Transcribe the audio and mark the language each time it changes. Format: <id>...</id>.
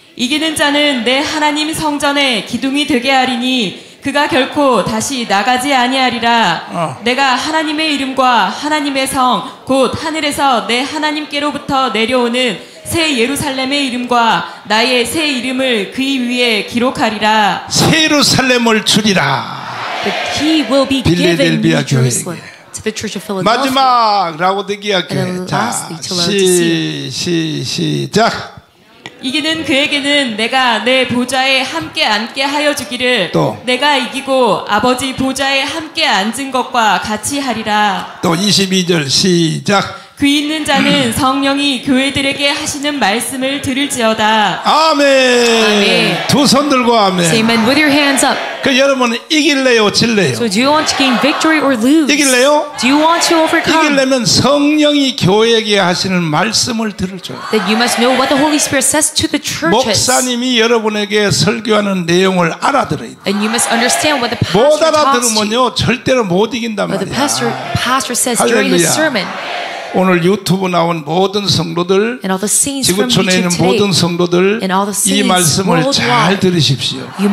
<ko>이기는 자는 내 하나님 성전에 기둥이 되게 하리니 그가 결코 다시 나가지 아니하리라. 내가 하나님의 이름과 하나님의 성 곧 하늘에서 내 하나님께로부터 내려오는 새 예루살렘의 이름과 나의 새 이름을 그 위에 기록하리라. 새 예루살렘을 주리라.</ko> <en>The key will be given to the church of Philadelphia.</en> <ko>마지막 라오디게아 교회. 자, 시작. 이기는 그에게는 내가 내 보좌에 함께 앉게 하여 주기를 또. 내가 이기고 아버지 보좌에 함께 앉은 것과 같이 하리라. 또 22절 시작. 귀 있는 자는 성령이 교회들에게 하시는 말씀을 들을지어다. 아멘. 아멘. 두 손 들고 아멘.</ko> <en>Say amen with your hands up.</en> <ko>그 여러분은 이길래요, 질래요?</ko> <en>So do you want to gain victory or lose?</en> <ko>이길래요?</ko> <en>Do you want to overcome?</en> <ko>이길려면 성령이 교회에게 하시는 말씀을 들을줘요.</ko> <en>That you must know what the Holy Spirit says to the churches.</en> <ko>목사님이 여러분에게 설교하는 내용을 알아들어야 돼.</ko> <en>And you must understand what the pastor</en> <ko>못 알아들으면요, 절대로 못 이긴단 말이야.</ko> <en>But the pastor says during his sermon.</en> <ko>오늘 유튜브 나온 모든 성도들 지구촌에 있는 모든 성도들 이 말씀을 잘 들으십시오.</ko>